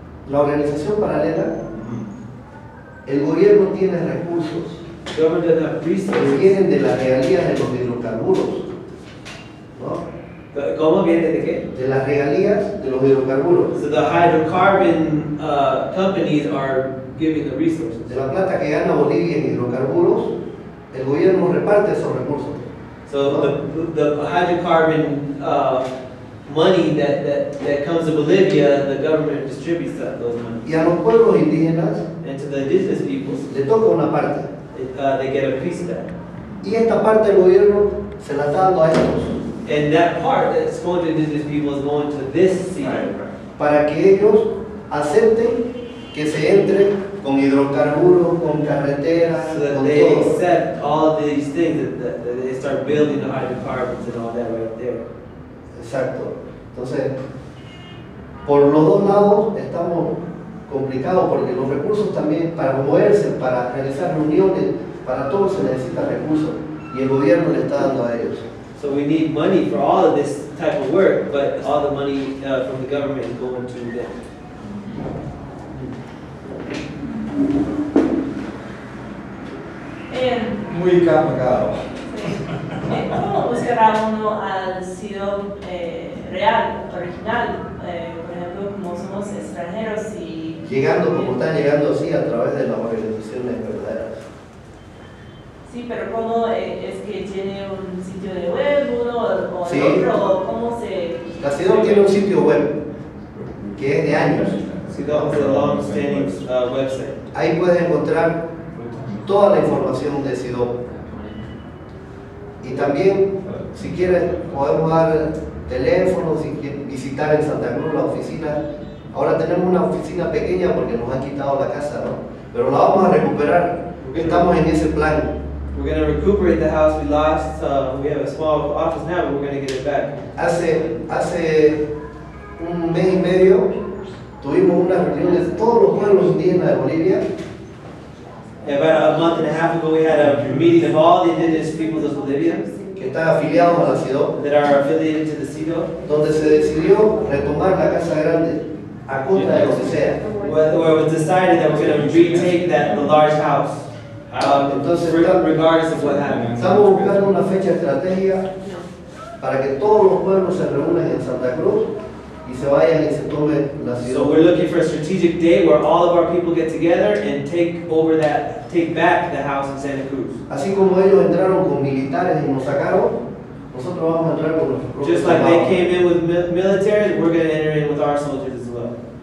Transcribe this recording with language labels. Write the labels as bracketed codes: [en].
[es] La organización paralela, el gobierno tiene recursos que vienen de las regalías de los hidrocarburos, ¿no? ¿Cómo viene de qué? De las regalías de los hidrocarburos. [en] So the hydrocarbon companies are giving the resources. [es] De la plata que gana Bolivia en hidrocarburos, el gobierno reparte esos recursos. [en] So the hydrocarbon money that comes to Bolivia, the government distributes those money. [es] Y a los pueblos indígenas, [en] and to the indigenous peoples, [es] le toca una parte. [en] They get a piece of that. [es] Y esta parte del gobierno se la está dando a ellos. [en] And that part that's going to indigenous people is going to this city. Right. [es] Para que ellos acepten que se entre con hidrocarburos, con carreteras, [en] so that [es] con [en] they [es] todo. [en] Accept all these things, that they start building the hydrocarbons and all that right there. [es] Exacto. Entonces, por los dos lados estamos complicados porque los recursos también para moverse, para realizar reuniones, para todo se necesita recursos y el gobierno le está dando a ellos. [en] So we need money for all of this type of work, but all the money from the government is going to them. [es] Muy complicado. ¿Cómo buscará uno al sido real, original? Por ejemplo, como somos extranjeros y... Llegando como están llegando así a través de las organizaciones verdaderas. Sí, pero ¿cómo es que tiene un sitio de web uno o sí. el otro? ¿Cómo se...? La CIDOC tiene un sitio web que es de años. [en] CIDOC [es] es un [en] long-standing website. [es] Ahí puedes encontrar toda la información de CIDOC. Y también, si quieren, podemos dar teléfono, si quieren visitar en Santa Cruz la oficina. Ahora tenemos una oficina pequeña porque nos han quitado la casa, ¿no? Pero la vamos a recuperar. Estamos en ese plan. [en] We're going to recuperate the house we lost. We have a small office now, but we're going to get it back. [es] Hace un mes y medio tuvimos una reunión de todos los pueblos indígenas de Bolivia. [en] About a month and a half ago, we had a meeting of all the indigenous peoples of Bolivia. [es] Que están afiliados a la CIDO. [en] That are affiliated to the CIDO. [es] Donde se decidió retomar la casa grande a costa de lo que sea. [en] Where it was decided that we're going to retake the large house. Regardless of what happened. [es] Estamos buscando una fecha estratégica para que todos los pueblos se reúnan en Santa Cruz y se vayan y se tome la ciudad. [en] So we're looking for a strategic day where all of our people get together and take back the house in Santa Cruz. [es] Así como ellos entraron con militares y nos sacaron, nosotros vamos a entrar con nuestros propios. [en] Just like they came in with military, we're going to enter in with our soldiers as well.